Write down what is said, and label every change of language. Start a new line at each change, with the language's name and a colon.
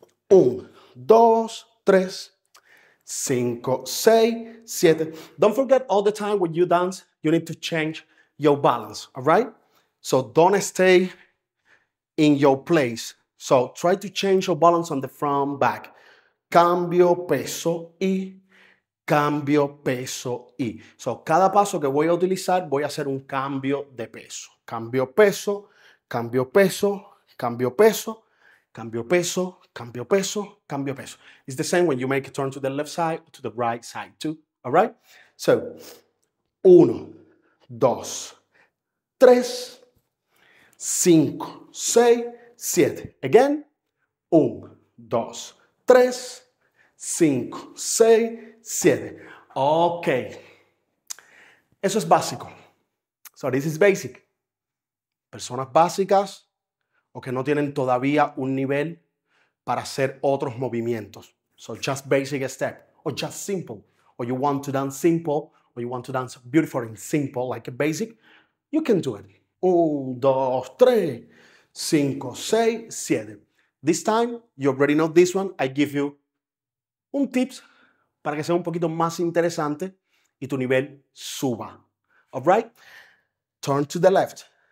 Spanish: Un, dos, tres, cinco, seis, siete.
English: Don't forget all the time when you dance, you need to change your balance, all right? So don't stay in your place. So try to change your balance on the front back.
Spanish: Cambio peso y cambio peso y. So cada paso que voy a utilizar, voy a hacer un cambio de peso. Cambio peso, cambio peso, cambio peso, cambio peso, cambio peso, cambio peso.
English: It's the same when you make a turn to the left side or to the right side too. All right?
Spanish: So, uno, dos, tres, cinco, seis, siete. Again, un, dos, tres, cinco, seis, siete. Okay. Eso es básico.
English: So this is basic.
Spanish: Personas básicas o que no tienen todavía un nivel para hacer otros movimientos.
English: So just basic step or just simple. Or you want to dance simple or you want to dance beautiful and simple like a basic, you can do it.
Spanish: Un, dos, tres, cinco, seis, siete.
English: This time, you already know this one. I give you un tips
Spanish: para que sea un poquito más interesante y tu nivel suba.
English: All right? Turn to the left.